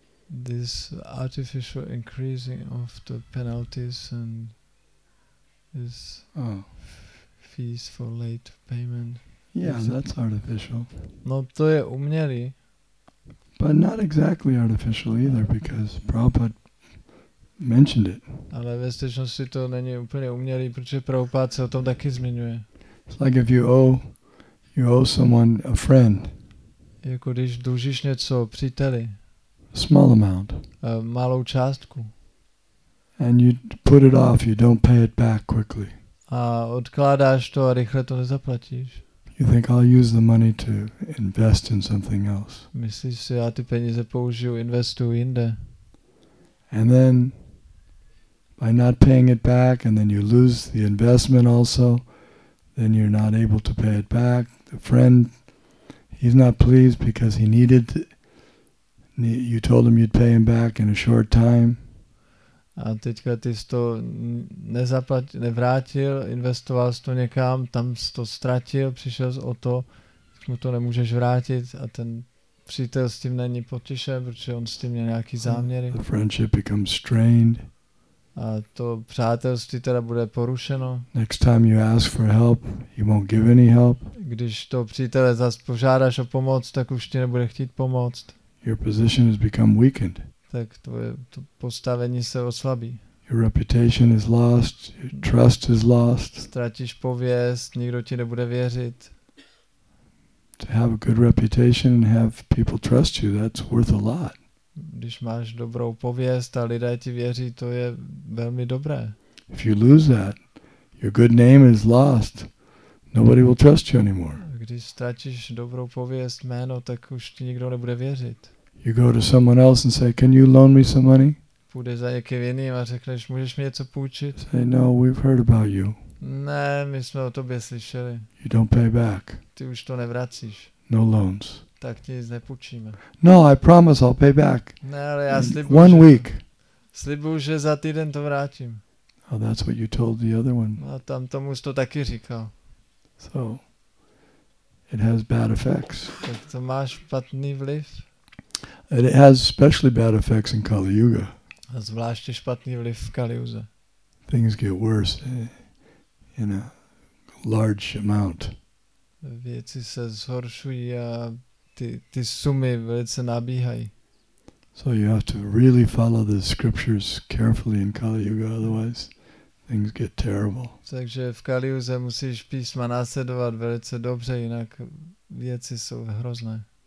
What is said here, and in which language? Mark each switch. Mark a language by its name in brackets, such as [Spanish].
[English] This artificial increasing of the penalties and this fees for late payment. Yeah, that's artificial. [Czech] No, to je umělý. [English] But not exactly artificial either, because Prabhupada mentioned it. [Czech] Ale ve skutečnosti to není úplně umělý, protože Prabhupada se o tom taky zmiňuje. [English] It's like if you owe someone a friend. [Czech] Jako když dlužíš něco příteli. [English] Small amount. [Czech] Malou částku. [English] And you put it off, you don't pay it back quickly. [Czech] A odkládáš to a rychle to nezaplatíš. [English] You think I'll use the money to invest in something else. [Czech] Myslíš si, já ty peníze použiju, investuju jinde. [English] And then by not paying it back and then you lose the investment also, then you're not able to pay it back. The friend, he's not pleased because he needed to, you told him you'd pay him back in a short time. [Czech] A teďka ty jsi to nevrátil, investoval jsi to někam, tam jsi to ztratil, přišel jsi o to, mu to nemůžeš vrátit a ten přítel s tím není potěšen, protože on s tím měl nějaký záměry. [English] The friendship becomes strained. [Czech] A to přátelství teda bude porušeno. [English] Next time you ask for help, he won't give any help. [Czech] Když to přítele zas požádáš o pomoc, tak už ti nebude chtít pomoct. [English] Your position has become weakened. [Czech] Tak tvoje to postavení se oslabí. [English] Your reputation is lost, your trust is lost. [Czech] Ztratíš pověst, nikdo ti nebude věřit. [English] To have a good reputation and have people trust you, that's worth a lot. [Czech] Když máš dobrou pověst a lidé ti věří, to je velmi dobré. [English] If you lose that, your good name is lost. Nobody will trust you anymore. [Czech] Když ztratíš dobrou pověst, jméno, tak už ti nikdo nebude věřit. [English] You go to someone else and say, "Can you loan me some money?" [Czech] Půjdeš za někým jiným a řekneš, můžeš mi něco půjčit? [English] Say, "No, we've heard about you." [Czech] Ne, my jsme o tobě slyšeli. [English] You don't pay back. [Czech] Ty už to nevracíš. [English] No loans. [Czech] Tak ti nic nepůjčíme. [English] No, I promise I'll pay back. [Czech] Ne, ale já slibuju. [English] One week. [Czech] Slibuju, že za týden to vrátím. [English] Oh, that's what you told the other one. [Czech] A tam tomu jsi to taky říkal. [English] So, it has bad effects. [Czech] Tak to má špatný vliv. [English] And it has especially bad effects in Kali Yuga. [Czech] A zvláště špatný vliv v Kali Yuze. [English] Things get worse in a large amount. [Czech] Věci se zhoršují a ty sumy velice nabíhají. [English] So you have to really follow the scriptures carefully in Kali Yuga, otherwise things get terrible. [Czech] Takže v Kali Yuze musíš písma následovat velice dobře, jinak věci jsou hrozné.